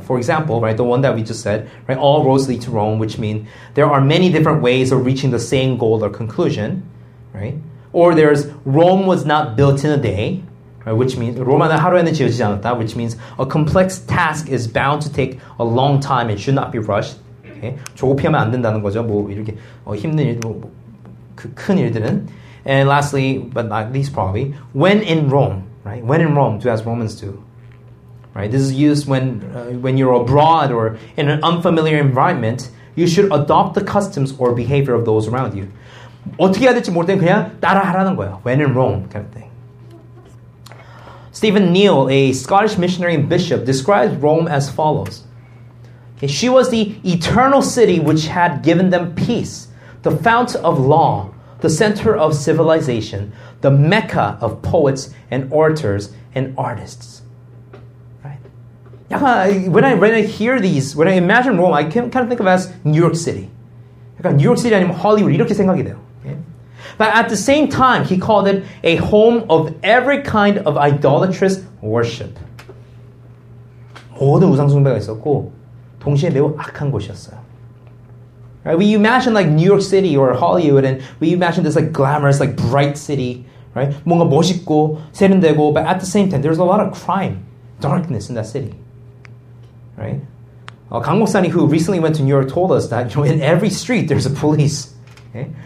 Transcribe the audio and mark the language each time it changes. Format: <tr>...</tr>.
<en>For example, right, the one that we just said, right, all roads lead to Rome, which means there are many different ways of reaching the same goal or conclusion. Right? Or there's Rome was not built in a day, right, which means</en> <ko>로마는 하루에는 지어지지 않았다,</ko> <en>which means a complex task is bound to take a long time and should not be rushed. Okay?</en> <ko>조급히하면 안 된다는 거죠. 뭐 이렇게 힘든 일, 뭐 그 큰 일들은.</ko> <en>And lastly, but not least, probably when in Rome, right? When in Rome, do as Romans do. Right? This is used when you're abroad or in an unfamiliar environment. You should adopt the customs or behavior of those around you.</en> <ko>어떻게 해야 될지 모를 땐 그냥 따라하라는 거야.</ko> <en>When in Rome, kind of thing. Stephen Neal, a Scottish missionary and bishop, describes Rome as follows. Okay, she was the eternal city which had given them peace, the fount of law, the center of civilization, the mecca of poets and orators and artists. Right? When I imagine Rome, I can kind of think of it as New York City.</en> <ko>약간 New York City 아니면 Hollywood, 이렇게 생각이 돼요.</ko> <en>But at the same time, he called it a home of every kind of idolatrous worship.</en> <ko>모든 우상 숭배가 있었고, 동시에 매우 악한 곳이었어요.</ko> <en>Right? We imagine like New York City or Hollywood, and we imagine this like glamorous, like bright city, right?</en> <ko>뭔가 멋있고 세련되고,</ko> <en>but at the same time, there's a lot of crime, darkness in that city, right? Kang Mok-sani, who recently went to New York, told us that you know, in every street there's a police. Okay.</en>